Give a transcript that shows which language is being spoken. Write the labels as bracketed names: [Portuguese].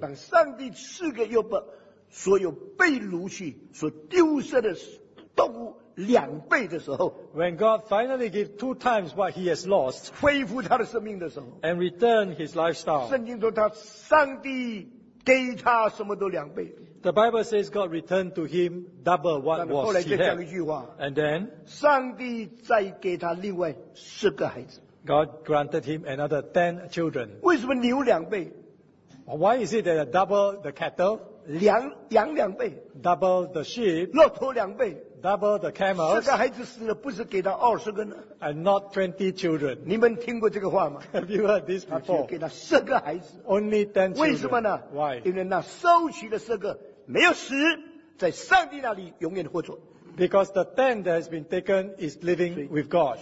[Chinese] 当上帝赐给约伯所有被掳去所丢失的动物两倍的时候， [English] When God finally gives two times what he has lost, [Chinese] 恢复他的生命的时候， [English] and return his lifestyle, [Chinese] 圣经说他上帝给他什么都两倍。 [English] The Bible says God returned to him double what was he had. And then, [Chinese] 上帝再给他另外十个孩子。 [English] God granted him another 10 children. [Chinese] 为什么牛两倍? [English] Why is it that double the cattle? [Chinese] 羊两倍, [English] double the sheep. [Chinese] 骆驼两倍, [English] double the camels. [Chinese] 十个孩子死了，不是给他二十个呢? [English] And not 20 children. [Chinese] 你们听过这个话吗? [English] Have you heard this before? [Chinese] 他只给他十个孩子, [English] only 10 children. [Chinese] 为什么呢? [English] Why? [Chinese] 因为那收取的十个没有死, 在上帝那里永远活着。 [English] Because the 10 that has been taken is living with God.